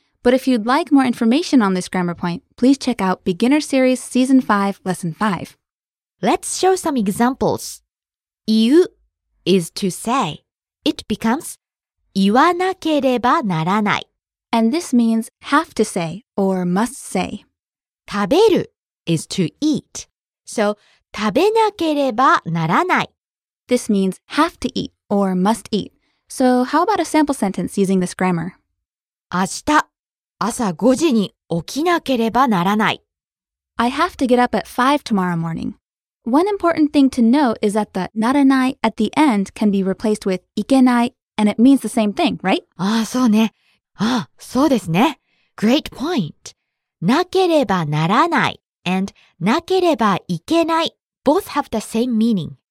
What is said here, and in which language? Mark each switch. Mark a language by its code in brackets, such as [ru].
[en] But if you'd like more information on this grammar point, please check out Beginner Series Season 5, Lesson 5. Let's show some examples. 言う is to say. It becomes [ja] 言わなければならない。 [en] And this means have to say or must say. 食べる is to eat. [ja] So, 食べなければならない。 [en] This means have to eat or must eat. So, how about a sample sentence using this grammar? [ja] 明日朝5時に起きなければならない。 [en] I have to get up at 5 tomorrow morning. One important thing to know is that the ならない at the end can be replaced with いけない and it means the same thing, right? [ja] ああ、そうね。ああ、そうですね。 [en] Great point. なければならない and なければいけない both have the same meaning.